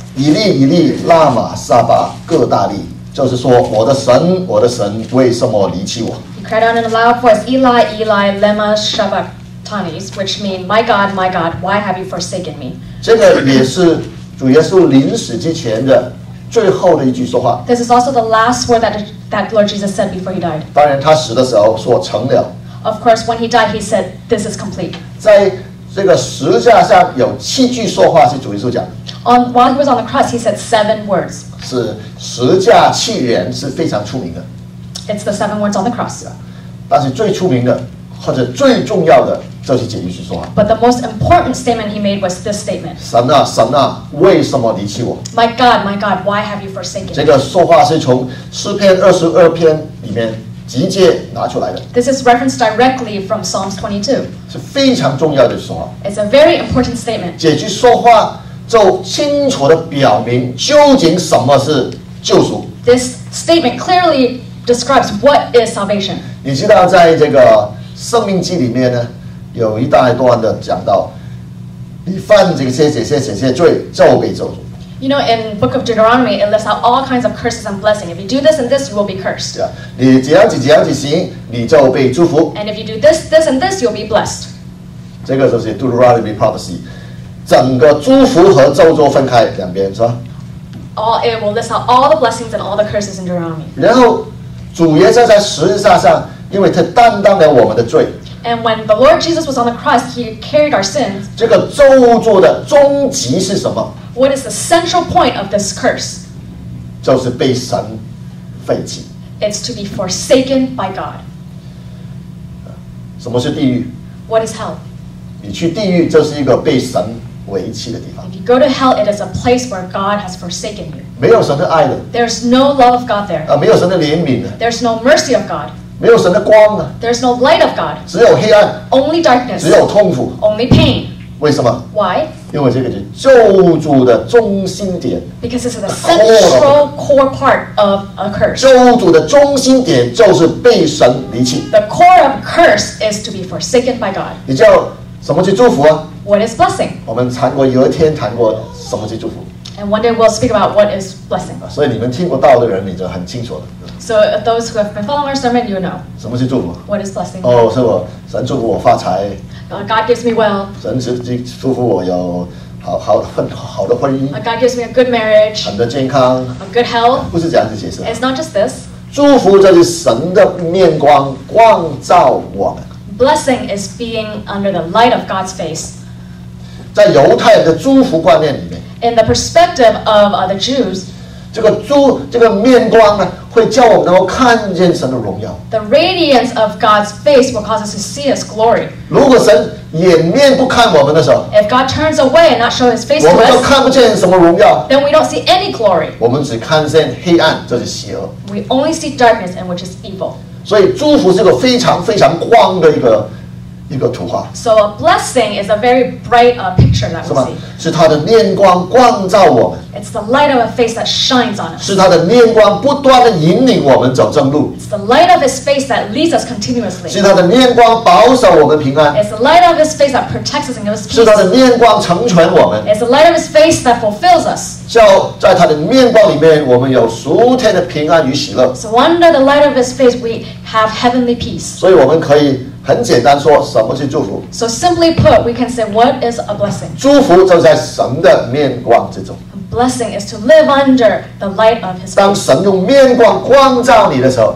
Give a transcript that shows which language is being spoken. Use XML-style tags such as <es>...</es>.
<zh>以利以利拉玛撒巴各大利，就是说我的神我的神为什么离弃我</zh> <en>He cried out in a loud voice,</en> <arc>Eli, Eli, lema sabachthani,</arc> <en>which mean, my God, why have you forsaken me?</en> <zh>这个也是主耶稣临死之前的最后的一句说话</zh> <en>This is also the last word that Lord Jesus said before he died.</en> <zh>当然他死的时候说成了。</zh> <en>Of course, when he died, he said, this is complete.</en> <zh>在这个十字架上有七句说话是主耶稣讲。</zh> <en>While he was on the cross, he said 7 words.</en> <zh>是十架七言是非常出名的。</zh> <en>It's the 7 words on the cross.</en> <zh>但是最出名的或者最重要的就是这一句说话。</zh> <en>But the most important statement he made was this statement.</en> <zh>神啊神啊为什么离弃我</zh> <en>my God, why have you forsaken me?</en> <zh>这个说话是从诗篇二十二篇里面直接拿出来的。</zh> <en>This is referenced directly from Psalms 22.</en> <zh>是非常重要的说话。</zh> <en>It's a very important statement.</en> <zh>这句说话就清楚地表明究竟什么是救赎。</zh> <en>This statement clearly describes what is salvation.</en> <zh>你知道在这个生命记里面呢有一大段的讲到你犯这些这些这些罪就被咒诅</zh> <en>You know, in the book of Deuteronomy, it lists out all kinds of curses and blessings. If you do this and this, you will be cursed.</en> <zh>Yeah, 你这样子这样子行你就被祝福</zh> <en>And if you do this, this and this, you'll be blessed.</en> <zh>这个就是</zh> <en>Deuteronomy prophecy.</en> <zh>整个祝福和咒诅分开两边是吧</zh> <en>It will list out all the blessings and all the curses in Deuteronomy.</en> <zh>然后主耶稣在十字架上因为他担当了我们的罪</zh> <en>And when the Lord Jesus was on the cross, he carried our sins.</en> <zh>这个咒诅的终极是什么</zh> <en>What is the central point of this curse?</en> <zh>就是被神废弃</zh> <en>It's to be forsaken by God.</en> <zh>什么是地狱</zh> <en>What is hell?</en> <zh>你去地狱就是一个被神违弃的地方</zh> <en>If you go to hell, it is a place where God has forsaken you.</en> <zh>没有神的爱的</zh> <en>There's no love of God there.</en> <zh>没有神的怜悯的</zh> <en>There's no mercy of God.</en> <zh>没有神的光啊</zh> <en>There's no light of God.</en> <zh>只有黑暗</zh> <en>Only darkness.</en> <zh>只有痛苦</zh> <en>Only pain.</en> <zh>为什么</zh> <en>Why?</en> <zh>因为这个是咒诅的中心点</zh> <en>Because this is the central core part of a curse.</en> <zh>咒诅的中心点就是被神离弃</zh> <en>The core of curse is to be forsaken by God.</en> <zh>你知道什么是祝福啊？</zh> <en>What is blessing?</en> <zh>我们谈过有一天谈过什么是祝福。</zh> <en>And one day we'll speak about what is blessing.</en> <zh>所以你们听过道的人，你就很清楚了。</zh> <en>So those who have been following our sermon, you know.</en> <zh>什么是祝福？</zh> <en>What is blessing?</en> <zh>哦，是我神祝福我发财。</zh> <en>God gives me well.</en> <zh>神祝福我有好的婚姻。</zh> <en>God gives me a good marriage.</en> <zh>很的健康。</zh> <en>A good health.</en> <zh>不是这样子解释。</zh> <en>It's not just this.</en> <zh>祝福就是神的面光光照我们。</zh> <en>Blessing is being under the light of God's face.</en> <zh>在犹太的祝福观念里面。</zh> <en>In the perspective of the Jews.</en> <zh>这个面光呢，会叫我们能够看见神的荣耀。</zh> <en>The radiance of God's face will cause us to see His glory.</en> <zh>如果神掩面不看我们的时候，</zh> <en>If God turns away and not show His face to us,</en> <zh>我们就看不见什么荣耀。</zh> <en>Then we don't see any glory.</en> <zh>我们只看见黑暗，这是邪恶。</zh> <en>We only see darkness and which is evil.</en> <zh>所以祝福是个非常非常光的一个图画。</zh> <en>So a blessing is a very bright picture that we see.</en> <zh>是他的面光光照我们。</zh> <en>It's the light of a face that shines on us.</en> <zh>是他的面光不断的引领我们走正路。</zh> <en>It's the light of his face that leads us continuously.</en> <zh>是他的面光保守我们平安。</zh> <en>It's the light of his face that protects us and gives us peace.</en> <zh>是他的面光成全我们。</zh> <en>It's the light of his face that fulfills us.</en> <zh>就在他的面光里面，我们有属天的平安与喜乐。</zh> <en>So under the light of his face, we have heavenly peace.</en> <zh>所以我们可以很简单说什么是祝福。</zh> <en>So simply put, we can say what is a blessing.</en> <zh>祝福就在神的面光之中。</zh> <en>Blessing is to live under the light of His face.</en> <zh>当神用面光光照你的时候，</zh>